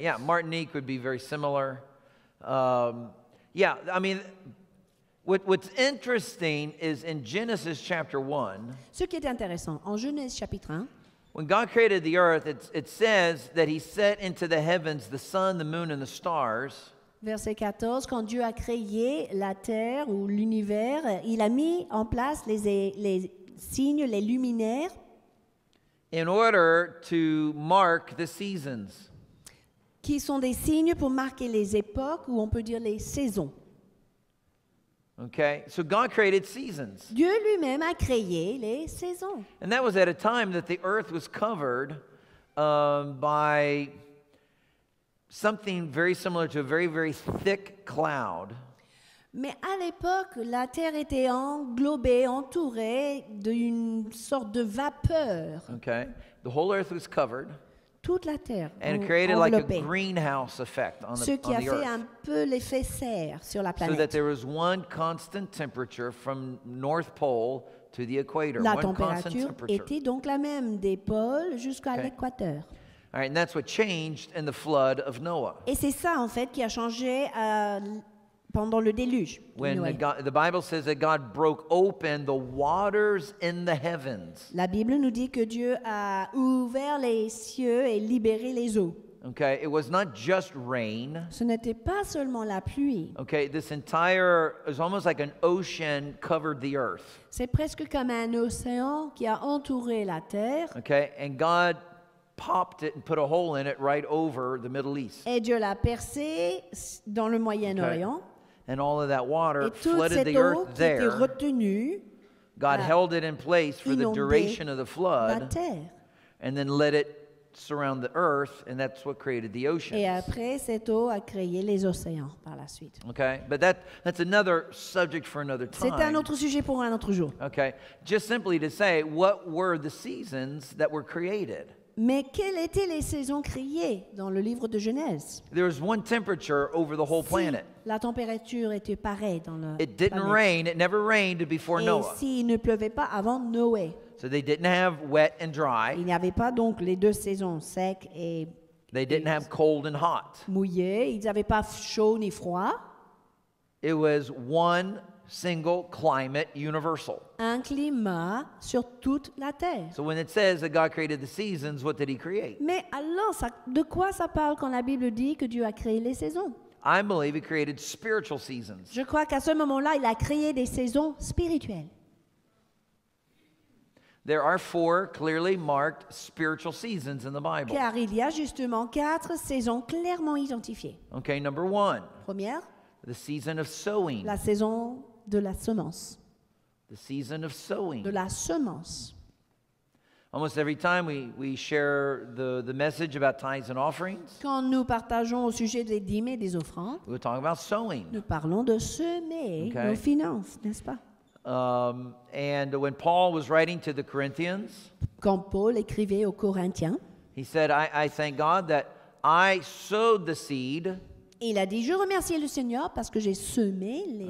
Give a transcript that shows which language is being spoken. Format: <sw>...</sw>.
<en>Yeah, Martinique would be very similar. Yeah. I mean, what's interesting is in Genesis chapter 1.</en> <fr>Ce qui est intéressant en Genèse chapitre 1.</fr> <en>When God created the earth, it says that he set into the heavens the sun, the moon, and the stars.</en> <fr>Verset 14, quand Dieu a créé la terre ou l'univers, il a mis en place les signes, les luminaires.</fr> <en>In order to mark the seasons.</en> <fr>Qui sont des signes pour marquer les époques ou on peut dire les saisons.</fr> <en>Okay, so God created seasons.</en> <fr>Dieu lui-même a créé les saisons.</fr> <en>And that was at a time that the earth was covered by something very similar to a very, very thick cloud.</en> <fr>Mais à l'époque, la terre était englobée, entourée d'une sorte de vapeur.</fr> <en>Okay, the whole earth was covered.</en> <fr>Toute la terre</fr> <en>and it created like a greenhouse effect on the earth.</en> <fr>Ce qui a fait un peu l'effet serre sur la planète.</fr> <en>So that there was one constant temperature from North Pole to the equator.</en> <fr>La température était donc la même des pôles jusqu'à l'équateur.</fr> <en>All right, and that's what changed in the flood of Noah.</en> <fr>Et c'est ça en fait qui a changé pendant le déluge.</fr> <en>When the Bible says that God broke open the waters in the heavens.</en> <fr>La Bible nous dit que Dieu a ouvert les cieux et libéré les eaux.</fr> <en>Okay, it was not just rain.</en> <fr>Ce n'était pas seulement la pluie.</fr> <en>Okay, this entire is almost like an ocean covered the earth.</en> <fr>C'est presque comme un océan qui a entouré la terre.</fr> <en>Okay, and God popped it and put a hole in it right over the Middle East.</en> <fr>Et Dieu l'a percé dans le Moyen-Orient.</fr> <en>Okay. And all of that water flooded the earth there.</en> <fr>Était retenue,</fr> <en>God held it in place for the duration of the flood.</en> <fr>La terre.</fr> <en>And then let it surround the earth, and that's what created the oceans.</en> <fr>Et après, cette eau a créé les océans par la suite.</fr> <en>Okay, but that's another subject for another time.</en> <fr>C'est un autre sujet pour un autre jour.</fr> <en>Okay, just simply to say, what were the seasons that were created?</en> <fr>Mais quelles étaient les saisons créées dans le livre de Genèse?</fr> <en>There was one temperature over the whole planet.</en> <fr>La température était pareille dans le</fr> <en>It didn't</en> <fr>planète.</fr> <en>Rain, it never rained before</en> <fr>Et</fr> <en>Noah.</en> <fr>Et s'il ne pleuvait pas avant Noé.</fr> <en>So they didn't have wet and dry.</en> <fr>Il n'y avait pas donc les deux saisons, sec et</fr> <en>They didn't have cold and hot.</en> <fr>Mouillé, ils n'avaient pas chaud ni froid.</fr> <en>It was one single climate universal.</en> <fr>Un climat sur toute la terre.</fr> <en>So when it says that God created the seasons, what did he create?</en> <fr>Mais alors, ça, de quoi ça parle quand la Bible dit que Dieu a créé les saisons?</fr> <en>I believe he created spiritual seasons.</en> <fr>Je crois qu'à ce moment-là, il a créé des saisons spirituelles.</fr> <en>There are four clearly marked spiritual seasons in the Bible.</en> <fr>Car il y a justement quatre saisons clairement identifiées.</fr> <en>Okay, number one.</en> <fr>Première.</fr> <en>The season of sowing.</en> <fr>La saison de la semence.</fr> <en>The season of sowing.</en> <fr>De la semence.</fr> <en>Almost every time we share the message about tithes and offerings.</en> <fr>Quand nous partageons au sujet des dîmes et des offrandes.</fr> <en>We're talking about sowing.</en> <fr>Nous parlons de semer okay. nos finances, n'est-ce pas?</fr> <en>And when Paul was writing to the Corinthians.</en> <fr>Quand Paul écrivait aux Corinthiens.</fr> <en>He said, I thank God that I sowed the seed.</en> <fr>Il a dit, je remercie le Seigneur parce que j'ai semé</fr>